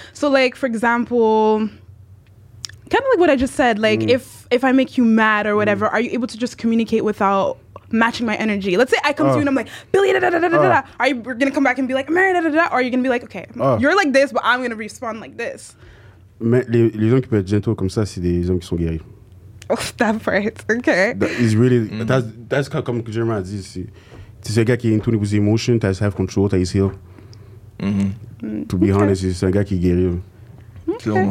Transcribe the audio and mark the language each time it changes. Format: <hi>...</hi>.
<en>So like, for example, kind of like what I just said, like if I make you mad or whatever, are you able to just communicate without matching my energy? Let's say I come to you and I'm like, Billy, are you going to come back and be like, Mary, or are you going to be like, okay, you're like this, but I'm going to respond like this?</en> <fr>Mais les gens qui peuvent être gentils comme ça, c'est des hommes qui sont guéris.</fr> <en>That part, okay. That is really that's how come Jeremiah says it's a guy who is in tune with his emotion, that has control, that is healed. To be honest, it's a guy who is guéri.</en>